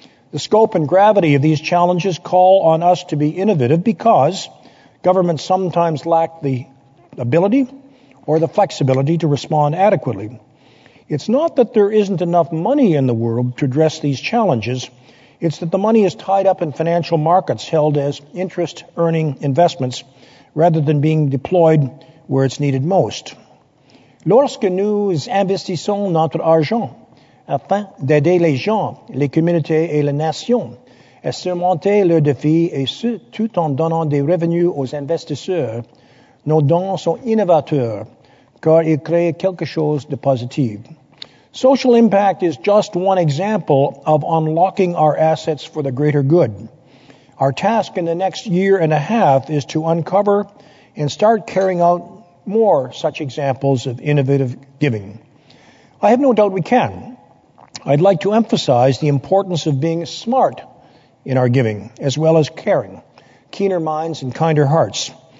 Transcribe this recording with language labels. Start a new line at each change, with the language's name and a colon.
English: The scope and gravity of these challenges call on us to be innovative because governments sometimes lack the ability or the flexibility to respond adequately. It's not that there isn't enough money in the world to address these challenges. It's that the money is tied up in financial markets held as interest-earning investments rather than being deployed where it's needed most.
French: Lorsque nous investissons notre argent afin d'aider les gens, les communautés et les nations à surmonter leurs défis et ce, tout en donnant des revenus aux investisseurs, nos dons sont innovateurs car ils créent quelque chose de positif.
English: Social impact is just one example of unlocking our assets for the greater good. Our task in the next year and a half is to uncover and start carrying out more such examples of innovative giving. I have no doubt we can. I'd like to emphasize the importance of being smart in our giving, as well as caring, keener minds and kinder hearts.